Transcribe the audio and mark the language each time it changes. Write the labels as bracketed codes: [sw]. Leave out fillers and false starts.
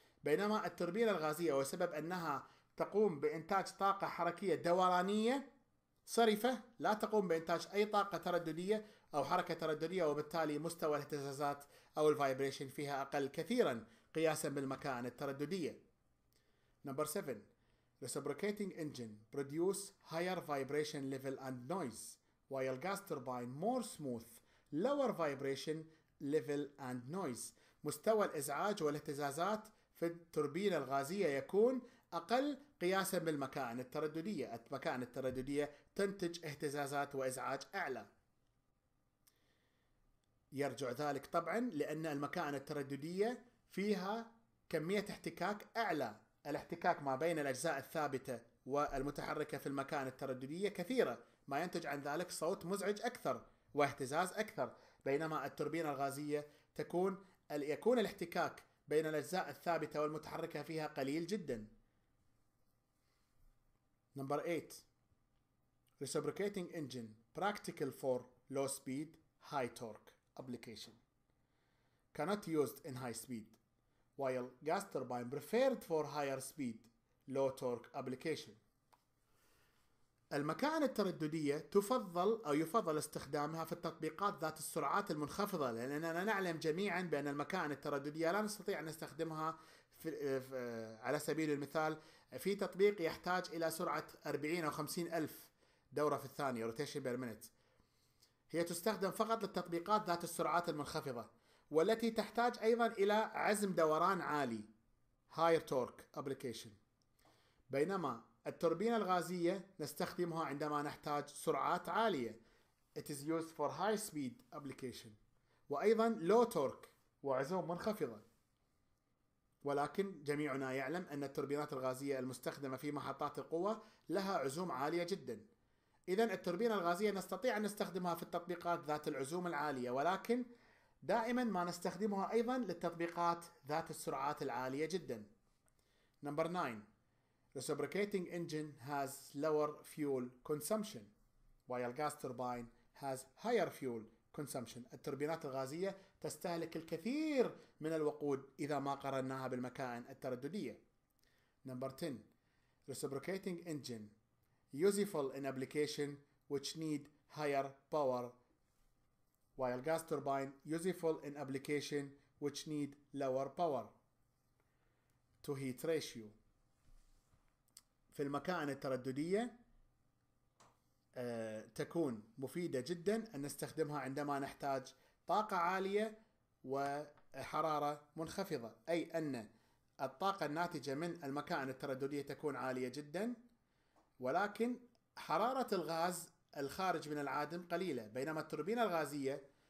[ar] بينما التوربينة الغازية وسبب أنها تقوم بإنتاج طاقة حركية دورانية صرفة، لا تقوم بإنتاج أي طاقة ترددية أو حركة ترددية، وبالتالي مستوى الاهتزازات أو الفايبريشن فيها أقل كثيرا قياسا بالمكائن الترددية. [en] Number 7. Reciprocating engine produce higher vibration level and noise, while gas turbine more smooth, lower vibration level and noise. [ar] مستوى الإزعاج والاهتزازات في التوربين الغازية يكون أقل قياسا بالمكائن الترددية. المكائن الترددية تنتج اهتزازات وإزعاج أعلى. يرجع ذلك طبعا لأن المكائن الترددية فيها كمية احتكاك أعلى. الاحتكاك ما بين الأجزاء الثابتة والمتحركة في المكائن الترددية كثيرة، ما ينتج عن ذلك صوت مزعج أكثر واهتزاز أكثر، بينما التوربين الغازية يكون الاحتكاك بين الأجزاء الثابتة والمتحركة فيها قليل جدا. [en] Number 8. Reciprocating engine practical for low speed high torque application. Cannot used in high speed. While gas turbine preferred for higher speed low torque application. [ar] المكائن الترددية تفضل أو يفضل استخدامها في التطبيقات ذات السرعات المنخفضة، لأننا نعلم جميعا بأن المكائن الترددية لا نستطيع أن نستخدمها على سبيل المثال في تطبيق يحتاج إلى سرعة 40 أو 50 ألف دورة في الثانية [en] rotation per minute. [ar] هي تستخدم فقط للتطبيقات ذات السرعات المنخفضة والتي تحتاج أيضا إلى عزم دوران عالي [en] higher torque application، [ar] بينما التوربين الغازية نستخدمها عندما نحتاج سرعات عالية. [en] It is used for high speed application. [ar] وأيضا [en] low torque [ar] وعزم منخفضة. ولكن جميعنا يعلم أن التوربينات الغازية المستخدمة في محطات القوة لها عزوم عالية جدا. إذن التوربين الغازية نستطيع أن نستخدمها في التطبيقات ذات العزوم العالية، ولكن دائما ما نستخدمها أيضا للتطبيقات ذات السرعات العالية جدا. [en] Number 9. Reciprocating engine has lower fuel consumption, while gas turbine has higher fuel consumption. [ar] التوربينات الغازية تستهلك الكثير من الوقود إذا ما قرناها بالمكائن الترددية. [en] Number 10. Reciprocating engine useful in application which need higher power, while gas turbine useful in application which need lower power to heat ratio. [ar] في المكائن الترددية تكون مفيدة جدا أن نستخدمها عندما نحتاج طاقة عالية وحرارة منخفضة، أي أن الطاقة الناتجة من المكائن الترددية تكون عالية جدا، ولكن حرارة الغاز الخارج من العادم قليلة، بينما التوربينة الغازية